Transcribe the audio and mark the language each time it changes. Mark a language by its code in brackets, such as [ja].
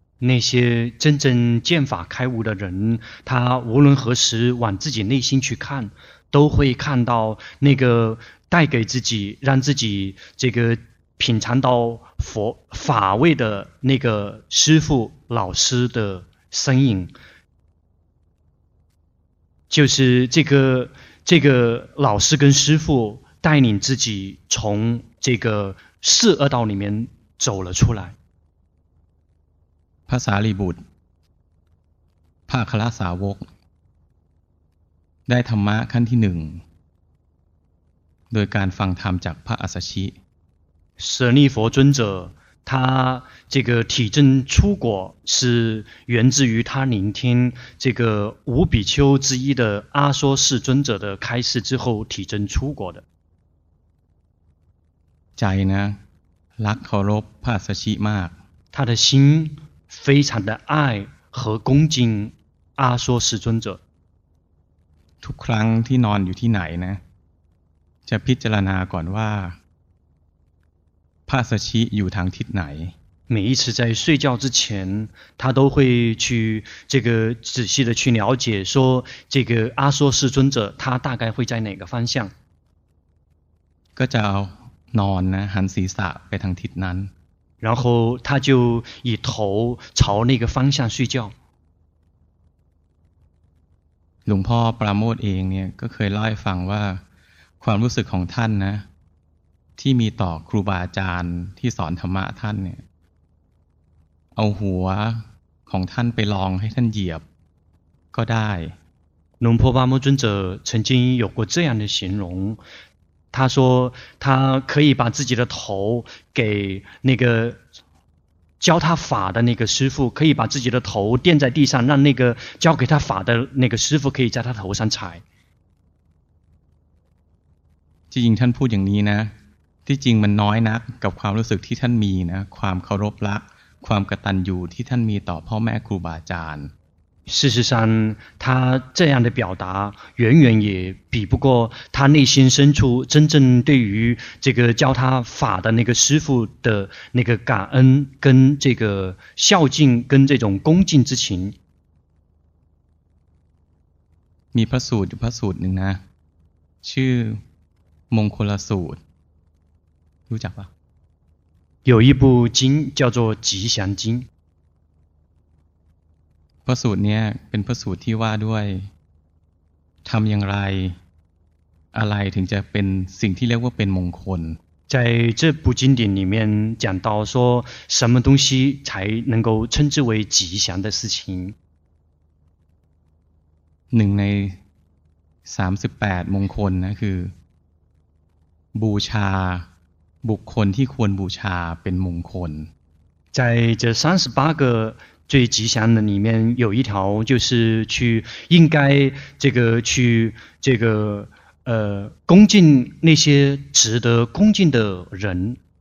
[zh] 那些真正见法开悟的人他无论何时往自己内心去看都会看到那个带给自己让自己这个品尝到佛法味的那个师父老师的身影就是这个老师跟师父带领自己从这个四恶道里面走了出来。 [th] พระสารีบุตรพระคละสาวกได้ธรรมะขั้นที่หนึ่งโดยการฟังธรรมจากพระอัสสชิ [zh] 舍利佛尊者他这个体证出果是源自于他聆听这个五比丘之一的阿梭世尊者的开示之后体证出果的 [th] ใจนะรักเคารพพระอัสสชิมาก [zh] 他的心非常的爱和恭敬阿梭世尊者 [th] ทุกครั้งที่นอนอยู่ที่ไหนนะจะพิจารณาก่อนว่าพระสัชชิอยู่ทางทิศไหน [zh] 每一次在睡觉之前他都会去这个仔细的去了解说这个阿梭世尊者他大概会在哪个方向 [th] ก็จะนอนนะหันศีรษะไปทางทิศนั้น [zh] 然后他就以头朝那个方向睡觉。 [th] หลวงพ่อปราโมทเองเนี่ยก็เคยเล่าให้ฟังว่าความรู้สึกของท่านนะที่มีต่อครูบาอาจารย์ที่สอนธรรมะท่านเนี่ยเอาหัวของท่านไปลองให้ท่านเหยียบก็ได้ [zh] 龙婆巴木尊者曾经有过这样的形容，他说他可以把自己的头给那个教他法的那个师父，可以把自己的头垫在地上，让那个教给他法的那个师父可以在他头上踩。 [th] จริงท่านพูดอย่างนี้นะที่จริงมันน้อยนักกับความรู้สึกที่ท่านมีนะความเคารพรักความกตัญญูที่ท่านมีต่อพ่อแม่ครูบาอาจารย์ [zh] 事实上他这样的表达远远也比不过他内心深处真正对于这个教他法的那个师父的那个感恩跟这个孝敬跟这种恭敬之情。 [th] มีพระสูตรอยู่พระสูตรหนึ่งนะชื่อมงคลสูตรรู้จักปะ [zh] 有一部经叫做吉祥经。 [th] พระสูตรเนี่ยเป็นพระสูตรที่ว่าด้วยทำอย่างไรอะไรถึงจะเป็นสิ่งที่เรียกว่าเป็นมงคล [zh] 在这部经典里面讲到说什么东西才能够称之为吉祥的事情 [th] หนึ่งใน38มงคลนะคือบูชาบุคคลที่ควรบูชาเป็นมงคล [zh] 在这三十八个最吉祥的里面有一条就是去应该这个去这个恭敬那些值得恭敬的人